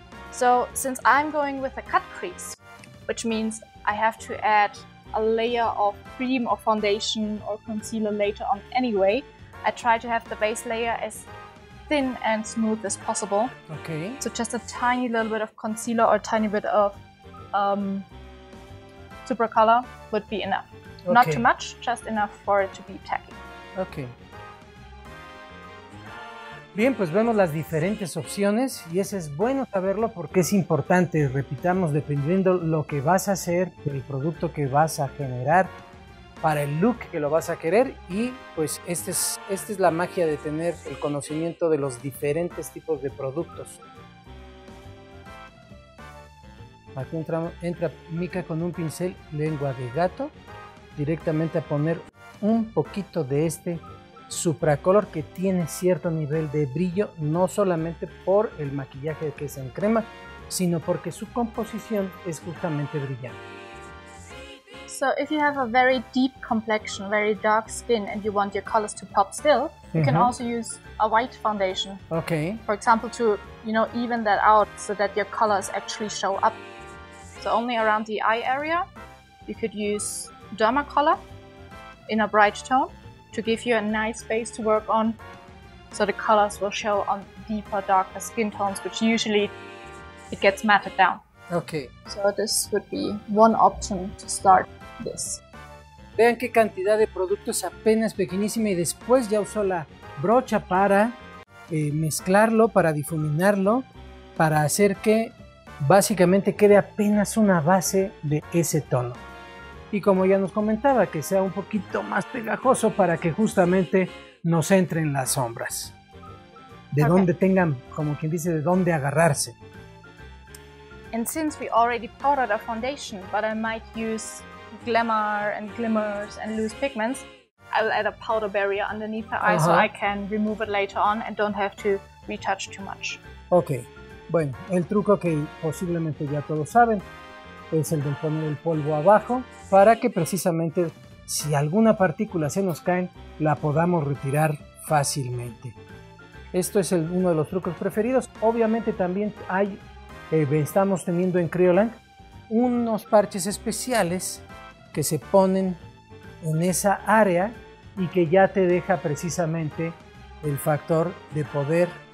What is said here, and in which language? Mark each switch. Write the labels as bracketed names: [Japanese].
[English] So, since I'm going with a cut crease, which means I have to add a layer of cream or foundation or concealer later on anyway, I try to have the base layer as thin and smooth as possible. Okay. So just a tiny little bit of concealer or a tiny bit of super color would be enough. Okay. Not too much, just enough for it to be tacky. Okay. [Spanish] Bien, pues vemos las diferentes opciones y eso es bueno saberlo porque es importante, repitamos, dependiendo lo que vas a hacer, el producto que vas a generar para el look que lo vas a querer. Y pues esta es la magia de tener el conocimiento de los diferentes tipos de productos. Aquí entra Mica con un pincel lengua de gato, directamente a poner un poquito de este supracolor que tiene cierto nivel de brillo, no solamente por el maquillaje que es en crema, sino porque su composición es justamente brillante. [English] So if you have a very deep complexion, very dark skin, and you want your colors to pop still, you can also use a white foundation. Okay. For example, to, you know, even that out so that your colors actually show up. So only around the eye area, you could use Dermacolor in a bright tone to give you a nice base to work on. So the colors will show on deeper, darker skin tones, which usually it gets matted down. Okay. So this would be one option to start this. [Spanish] Vean qué cantidad de productos, apenas pequeñísima, y después ya usó la brocha para mezclarlo, para difuminarlo, para hacer que básicamente quede apenas una base de ese tono. Y como ya nos comentaba, que sea un poquito más pegajoso para que justamente nos entren las sombras. De dónde tengan, como quien dice, de dónde agarrarse. [English] And since we already powdered a foundation, but I might use glamour and glimmers and loose pigments, I'll add a powder barrier underneath the eye so I can remove it later on and don't have to retouch too much. Okay. [Spanish] Bueno, el truco que posiblemente ya todos saben es el de poner el polvo abajo para que precisamente si alguna partícula se nos cae, la podamos retirar fácilmente. Esto es uno de los trucos preferidos. Obviamente también hay, estamos teniendo en Creoland unos parches especiales que se ponen en esa área y que ya te deja precisamente el factor de poder.